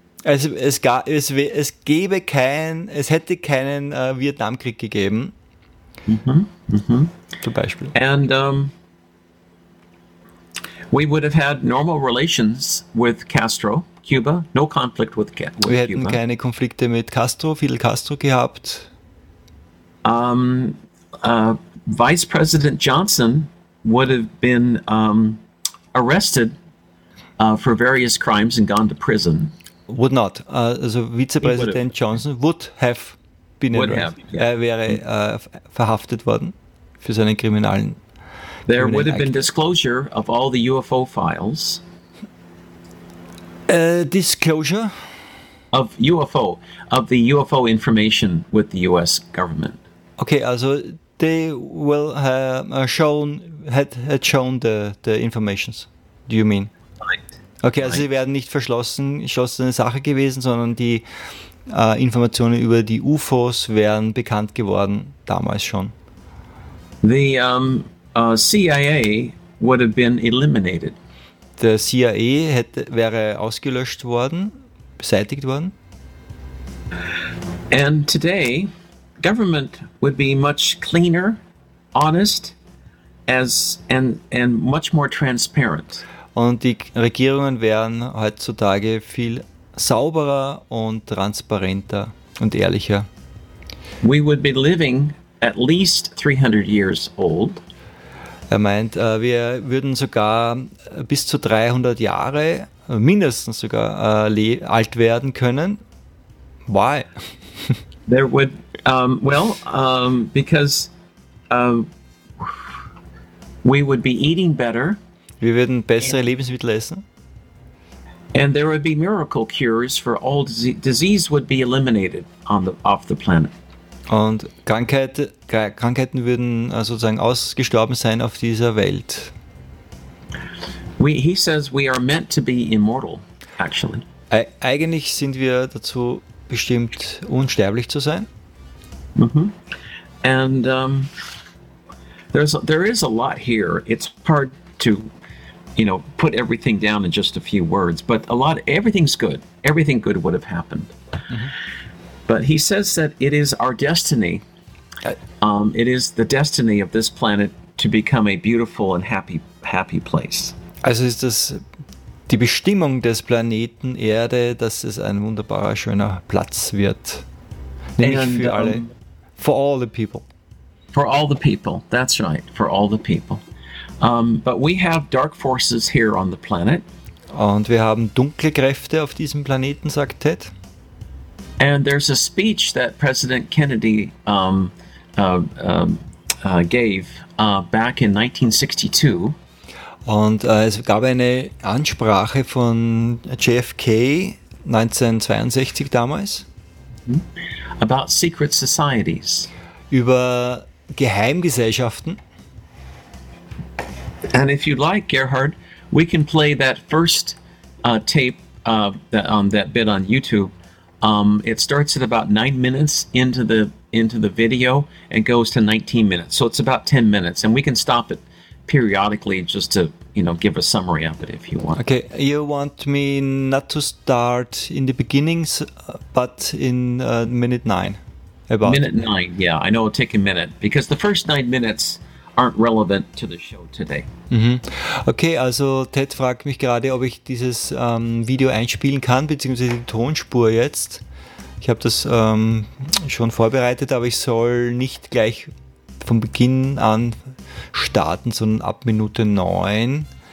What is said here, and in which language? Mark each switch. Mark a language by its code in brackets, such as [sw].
[de] Es hätte keinen Vietnamkrieg gegeben. Zum Beispiel. [en] And we would have had normal relations with Castro, Cuba, no conflict with Cuba. [de] Wir hätten keine Konflikte mit Castro, Fidel Castro gehabt. [en] Vice President Johnson would have been arrested for various crimes and gone to prison. Would not. [de] Also Vizepräsident Johnson [en] would have been arrested. [de] Er wäre verhaftet worden für seine kriminellen. [en] There would have been disclosure of all the UFO files. Disclosure? Of UFO, of the UFO information with the US government. Okay, also they will have shown, had shown the informations, do you mean? [de] Okay, also sie werden nicht verschlossene Sache gewesen, sondern die Informationen über die UFOs wären bekannt geworden, damals schon. [en] The CIA would have been eliminated. [de] The CIA wäre ausgelöscht worden, beseitigt worden. [en] And today, government would be much cleaner, honest, and much more transparent. [de] Und die Regierungen wären heutzutage viel sauberer und transparenter und ehrlicher. [en] We would be living at least 300 years old. [de] Er meint, wir würden sogar bis zu 300 Jahre, mindestens sogar, alt werden können. [en] Why? There would, because we would be eating better. [de] Wir würden bessere Lebensmittel essen. [en] And there would be miracle cures for all disease would be eliminated off the planet. [de] Und Krankheiten würden sozusagen ausgestorben sein auf dieser Welt. [en] He says we are meant to be immortal, actually. [de] Eigentlich sind wir dazu bestimmt, unsterblich zu sein. [en] Mm-hmm. And there is a lot here. It's hard to, you know, put everything down in just a few words, but everything's good. Everything good would have happened. Mm-hmm. But he says that it is our destiny. It is the destiny of this planet to become a beautiful and happy place. [de] Also ist das die Bestimmung des Planeten Erde, dass es ein wunderbarer, schöner Platz wird. Nämlich [en] and, [de] für alle. [en] For all the people. For all the people. That's right. For all the people. But we have dark forces here on the planet. [de] Und wir haben dunkle Kräfte auf diesem Planeten, sagt Ted. [en] And there's a speech that President Kennedy gave back in 1962. [de] Und es gab eine Ansprache von JFK 1962 damals. [en] About secret societies. [de] Über Geheimgesellschaften. [en] And if you'd like, Gerhard, we can play that first tape that bit on YouTube. It starts at about 9 minutes into the video and goes to 19 minutes. So it's about 10 minutes, and we can stop it periodically just to, you know, give a summary of it if you want. Okay, you want me not to start in the beginnings, but in minute nine, about? Minute nine, yeah. I know it'll take a minute because the first 9 minutes aren't relevant to the show today. Mm-hmm. [de] Okay, also Ted fragt mich gerade, ob ich dieses Video einspielen kann, beziehungsweise die Tonspur jetzt. Ich habe das schon vorbereitet, aber ich soll nicht gleich von Beginn an starten, sondern ab Minute 9.